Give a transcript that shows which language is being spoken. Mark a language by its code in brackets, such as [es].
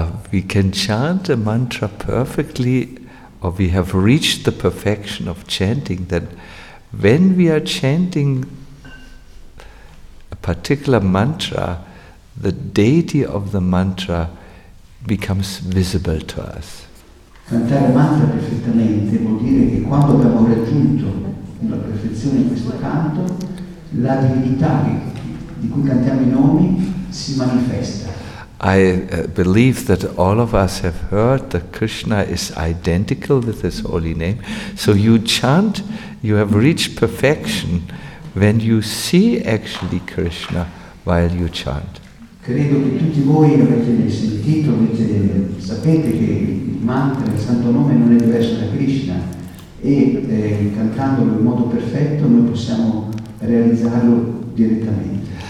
[en] We can chant a mantra perfectly, or we have reached the perfection of chanting, then when we are chanting a particular mantra, the deity of the mantra becomes visible to us. [it] Cantare mantra perfettamente vuol dire che quando abbiamo raggiunto la perfezione in questo canto, la divinità di cui cantiamo i nomi si manifesta. [en] I believe that all of us have heard that Krishna is identical with his holy name. So you chant, you have reached perfection when you see actually Krishna while you chant. [it] Credo che tutti voi avete sentito, avete, sapete che il mantra, il santo nome non è diverso da Krishna, e cantandolo in modo perfetto noi possiamo realizzarlo direttamente.